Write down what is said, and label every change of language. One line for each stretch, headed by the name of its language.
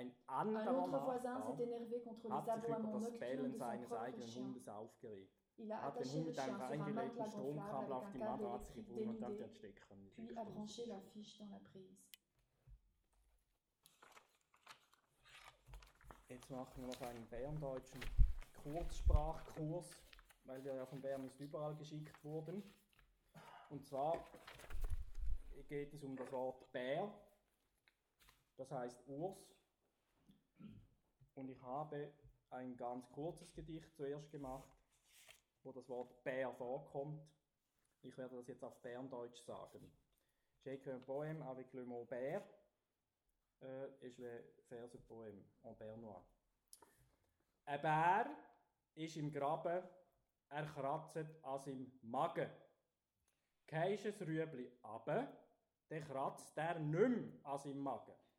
French: Un autre voisin s'est énervé contre les aboiements nocturnes de son propre chien. Il a attaché le chien sur un matelas gonflable avec un câble électrique dénudé, puis a branché la fiche dans la prise.
German: Jetzt machen wir noch einen berndeutschen Kurzsprachkurs, weil wir ja von Bern aus überall geschickt wurden. Und zwar geht es um das Wort Bär, das heißt Urs. Und ich habe ein ganz kurzes Gedicht zuerst gemacht, wo das Wort Bär vorkommt. Ich werde das jetzt auf Berndeutsch sagen.
French: J'écris un poème avec le mot Bär. Et je vais faire ce poème en bernois.
German: Ein Bär ist im Graben, er kratzt an seinem Magen. Gehst ein Rüebli runter, dann kratzt er nicht mehr an seinem Magen.